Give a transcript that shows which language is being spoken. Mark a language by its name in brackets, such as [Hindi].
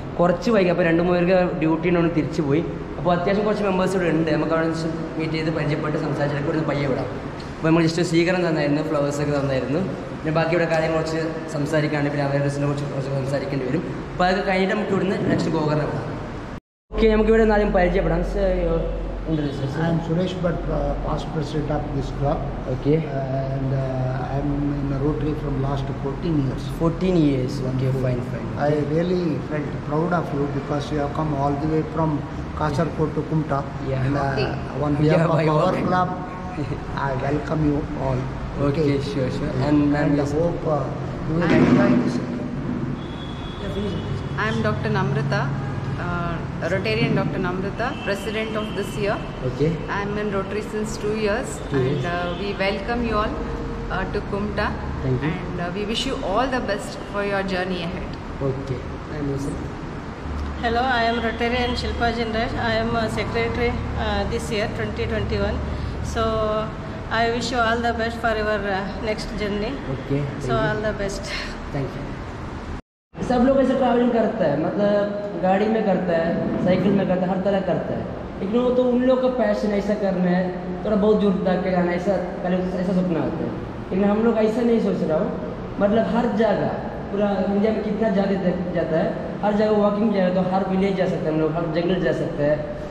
[Malayalam] കുറച്ച് വൈകി, അപ്പോൾ 2-3 പേർക്ക് ഡ്യൂട്ടി ഉണ്ടെന്ന് തിരിച്ചു പോയി. അപ്പോൾ അത്യാവശ്യം കുറച്ച് മെമ്പേഴ്സ് ഇവിടെ ഉണ്ട്. നമുക്ക് അവിടെ മീറ്റ് ചെയ്ത് പരിചയപ്പെട്ട് സംസാരിച്ചിട്ട് ഇവിടെ പയ്യെ വിടാം. അപ്പോൾ നമ്മൾ ജസ്റ്റ് സ്വീകരണം തന്നായിരുന്നു, ഫ്ലവേഴ്സൊക്കെ തന്നായിരുന്നു. പിന്നെ ബാക്കിയുടെ കാര്യം കുറച്ച് സംസാരിക്കാണ്ട് പിന്നെ അവയർനെസ്സിനെ കുറിച്ച് സംസാരിക്കേണ്ടി വരും. അപ്പോൾ അതൊക്കെ കഴിഞ്ഞിട്ട് നമുക്ക് ഇവിടുന്ന് നെക്സ്റ്റ് ഗോകർണ വിടാം. ഓക്കെ, നമുക്ക് ഇവിടെ ആദ്യം പരിചയപ്പെടാം. [English] I am Suresh Bhatt, past president of this club. Okay. And I am in a Rotary from last 14 years. 14 years. Okay, fine, fine. I really felt proud of you because you have come all the way from Kasarkot to Kumta. Yeah. And on behalf of our club, I welcome you all. Okay, sure, sure. And I hope you will enjoy this. I am Dr. Namrata. Rotarian Dr. Namrata, president of this year. Okay. I am in Rotary since 2 years. Yes. And we welcome you all to Kumta. Thank you. And we wish you all the best for your journey ahead. Okay. And you, sir? Hello, I am Rotarian Shilpa Jindal. I am secretary this year, 2021. So I wish you all the best for your next journey. Okay. So you. All the best. Thank you. [Hindi] सब लोग ऐसे travelling करते हैं, मतलब गाड़ी में करते हैं, साइकिल में करते हैं, हर तरह करते हैं. लेकिन वो तो उन लोग का पैशन ऐसा करना है, थोड़ा बहुत दूर तक के जाना, ऐसा पहले ऐसा सपना होता है. लेकिन हम लोग ऐसा नहीं सोच रहा हूँ, मतलब हर जगह पूरा इंडिया में कितना ज़्यादा तक जाता है, हर जगह वॉकिंग जगह, तो हर विलेज जा सकते हैं हम लोग, हर जंगल जा सकते हैं.